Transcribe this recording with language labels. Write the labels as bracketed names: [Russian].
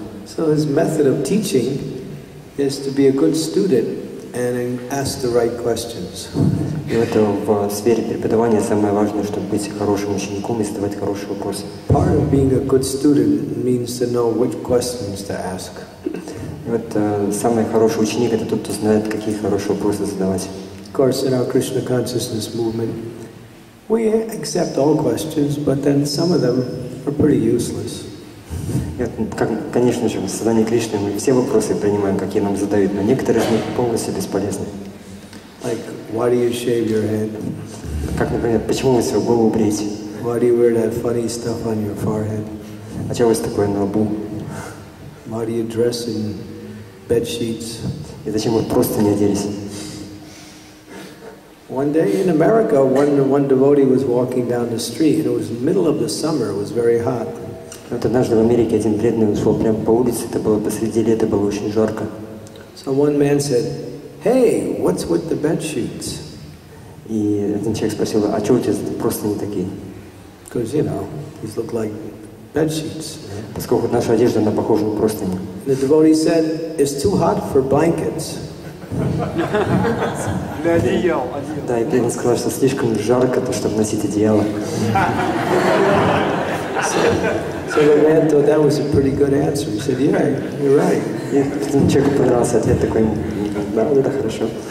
[English] So his method of teaching is to be a good student and ask the right questions. [Russian] И это в сфере преподавания самое важное, чтобы быть хорошим учеником и задавать хорошие вопросы. [English] Part of being a good student means to know which questions to ask. [Russian] И вот самый хороший ученик — это тот, кто знает, какие хорошие вопросы задавать. [English] Of course, in our Krishna consciousness movement, we accept all questions, but then some of them are pretty useless. [Russian] Конечно же, в сознании Кришны мы все вопросы принимаем, какие нам задают, но некоторые из них полностью бесполезны. [English] Like, why do you shave your head? [Russian] Как, например, почему вы свою голову бреете? [English] Why do you wear that funny stuff on your forehead? [Russian] А чего у вас такое на лбу? [English] Why do you dress in bed sheets? [Russian] И зачем вы просто не оделись? [English] One day in America, one devotee was walking down the street, and it was middle of the summer, it was very hot. [Russian] Вот однажды в Америке один преданный шел прямо по улице, это было посреди лета, было очень жарко. [English] So one man said, hey, what's with the bed sheets? [Russian] И один человек спросил, а что у тебя просто не такие? [English] Because, you know, these look like bed sheets. [Russian] Поскольку наша одежда, она похожа на простыни. [English] The devotee said, it's too hot for blankets. [Russian] Для одеяла. Да, и преданный сказал, что слишком жарко, то, чтобы носить одеяло. [English] So the man thought that was a pretty good answer. He said, yeah, you're right. [Russian] Человеку понравился ответ такой, да, это хорошо.